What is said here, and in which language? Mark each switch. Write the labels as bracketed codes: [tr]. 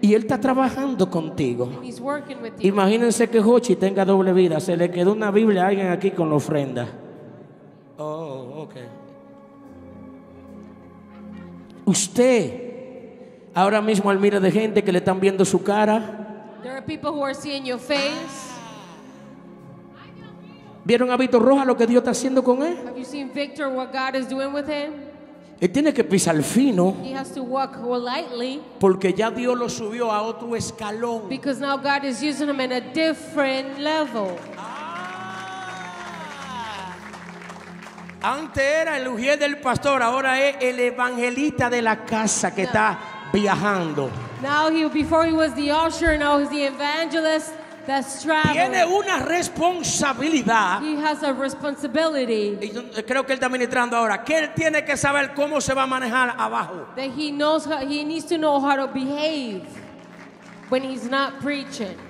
[es] Y él está trabajando contigo. [en] And he's working with you. [es] Imagínense que Jochi tenga doble vida. Se le quedó una Biblia a alguien aquí con la ofrenda. [en] Oh, okay. [es] Usted, ahora mismo al mira de gente que le están viendo su cara. [en] There are people who are seeing your face. [es] ¿Vieron a Víctor Rojas lo que Dios está haciendo con él? [en] Have you seen Victor, what God is doing with him? [es] Él tiene que pisar fino. [en] He has to walk lightly. [es] Porque ya Dios lo subió a otro escalón. [en] Because now God is using him in a different level. Ah. [es] Antes era el ujier del pastor, ahora es el evangelista de la casa que está viajando. [en] Now he, before he was the usher, now he's the evangelist. [es] Tiene una responsabilidad. [en] He has a responsibility. [es] Y creo que él está ministrando ahora. Que él tiene que saber cómo se va a manejar abajo. [en] That he knows how, he needs to know how to behave when he's not preaching.